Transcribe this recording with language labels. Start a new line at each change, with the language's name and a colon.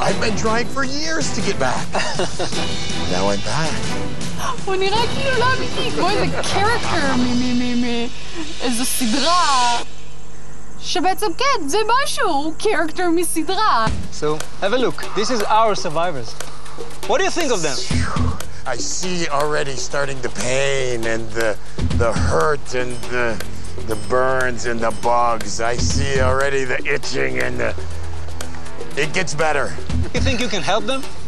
English: I've been trying for years to get back. Now I'm back.
Hebrew: הוא נראה כאילו לא אמיתי, כמו איזה קרקטר איזו סדרה שבעצם כן, זה משהו, הוא קרקטר מסדרה.
English: So, have a look. This is our survivors. What do you think of them? I see already starting the pain and the hurt and the burns and the bugs. I see already the itching and the... It gets better. You think you can help them?